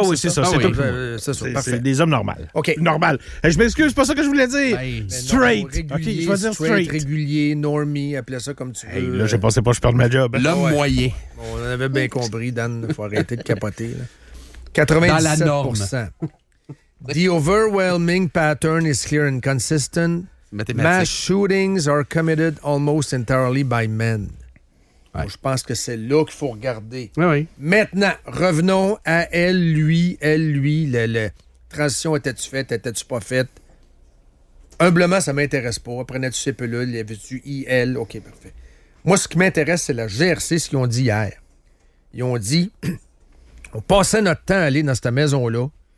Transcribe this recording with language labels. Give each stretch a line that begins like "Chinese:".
French: Oui, c'est ça. C'est tout. C'est ça. Parfait. C'est des hommes normaux. OK. Normal. Je m'excuse, c'est pas ça que je voulais dire.
English: Straight.
French: OK, je vais dire straight. Régulier, normie, appelez ça comme tu veux. Là, je pensais pas que je perds ma job. L'homme moyen. On en avait bien compris, Dan. Il faut arrêter de capoter. 97%.
English: The overwhelming pattern is clear and consistent. Mass shootings are committed almost entirely by men.
French: Ouais. Bon, je pense que c'est là qu'il faut regarder. Oui, oui. Maintenant, revenons à elle, lui. La transition, était-tu faite, était-tu pas faite? Humblement, ça m'intéresse pas. Prenais-tu ces pilules, y avait-tu IL? OK, parfait. Moi, ce qui m'intéresse, c'est la GRC, ce qu'ils ont dit hier. Ils ont dit, on passait notre temps à aller dans cette maison-là.